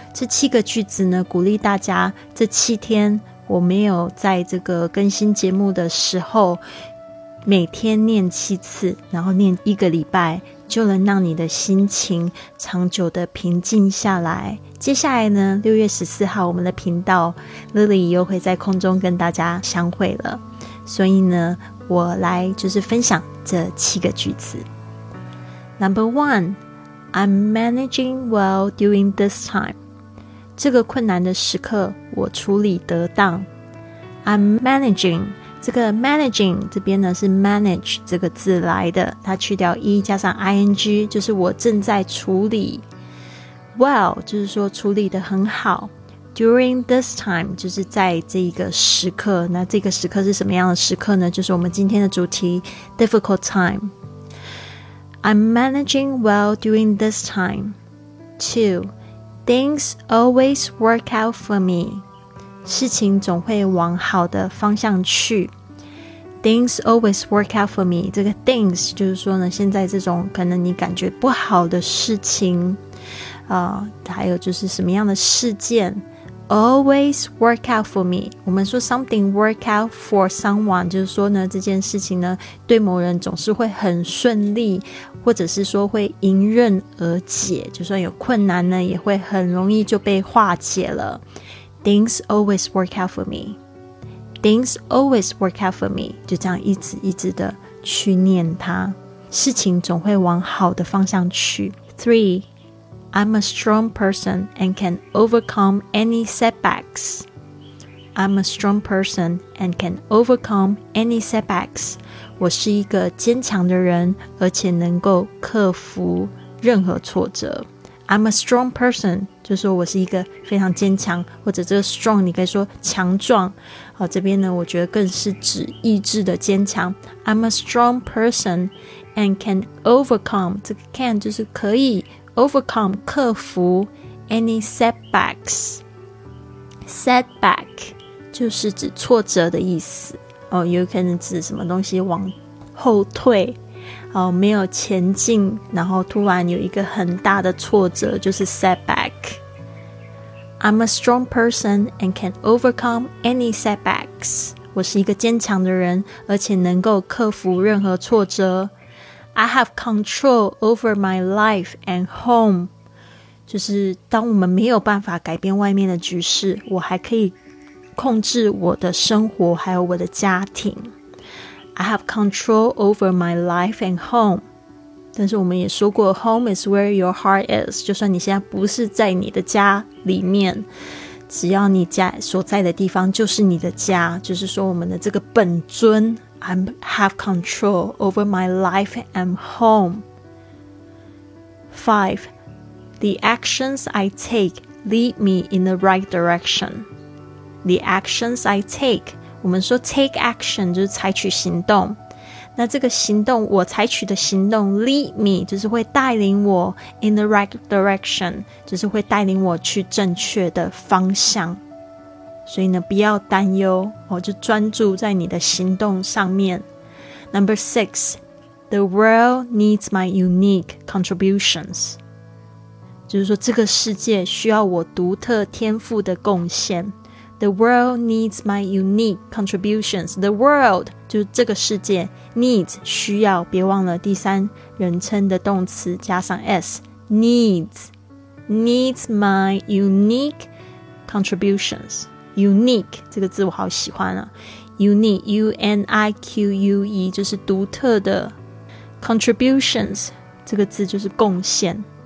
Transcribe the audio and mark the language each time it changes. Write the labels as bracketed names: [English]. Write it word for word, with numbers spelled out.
[Chinese] 这七个句子呢，鼓励大家这七天我没有在这个更新节目的时候，每天念七次，然后念一个礼拜，就能让你的心情长久的平静下来。接下来呢，六月十四号我们的频道 Lily 又会在空中跟大家相会了。所以呢，我来就是分享这七个句子。 [English] Number one, I'm managing well during this time. [Chinese] 这个困难的时刻，我处理得当。 [English] I'm managing. [Chinese] 这个 managing 这边呢是 manage 这个字来的，它去掉 e 加上 ing 就是我正在处理， well 就是说处理得很好， [English] during this time [Chinese] 就是在这个时刻。那这个时刻是什么样的时刻呢？就是我们今天的主题 difficult time。 [English] I'm managing well during this time. Two, things always work out for me. [Chinese] 事情总会往好的方向去。 [English] Things always work out for me. [Chinese] 这个 things 就是说呢，现在这种可能你感觉不好的事情、呃、还有就是什么样的事件 [English] always work out for me. [Chinese] 我们说 [English] something work out for someone [Chinese] 就是说呢，这件事情呢对某人总是会很顺利，或者是说会迎刃而解，就算有困难呢也会很容易就被化解了。 [English] Things always work out for me. Things always work out for me. [Chinese] 就这样一直一直的去念它，事情总会往好的方向去。 [English] Three, I'm a strong person and can overcome any setbacks. I'm a strong person and can overcome any setbacks. [Chinese] 我是一个坚强的人，而且能够克服任何挫折。 [English] I'm a strong person. [Chinese] 就是说我是一个非常坚强，或者这个 strong 你可以说强壮、哦、这边呢我觉得更是指意志的坚强。 [English] I'm a strong person and can overcome 这个 can 就是可以 overcome 克服 any setbacks. [Chinese] Setback 就是指挫折的意思、哦、有可能指什么东西往后退哦、没有前进，然后突然有一个很大的挫折，就是 setback。 [English] I'm a strong person and can overcome any setbacks. [Chinese] 我是一个坚强的人，而且能够克服任何挫折。 [English] I have control over my life and home. [Chinese] 就是当我们没有办法改变外面的局势，我还可以控制我的生活还有我的家庭。 [English] I have control over my life and home. [Chinese] 但是我们也说过 [English] Home is where your heart is. [Chinese] 就算你现在不是在你的家里面，只要你家所在的地方就是你的家，就是说我们的这个本尊。 [English] I have control over my life and home. Five, the actions I take lead me in the right direction. The actions I take [Chinese] 我们说 take action 就是采取行动，那这个行动我采取的行动 lead me 就是会带领我 [English] in the right direction [Chinese] 就是会带领我去正确的方向。所以呢不要担忧、哦、就专注在你的行动上面。 [English] Number six, The world needs my unique contributions， [Chinese] 就是说这个世界需要我独特天赋的贡献。 [English] The world needs my unique contributions. [Chinese] The world 就是这个世界， needs 需要，别忘了第三人称的动词加上 s， needs [English] needs my unique contributions. [Chinese] Unique 这个字我好喜欢啊， unique U N I Q U E 就是独特的，contributions 这个字就是贡献。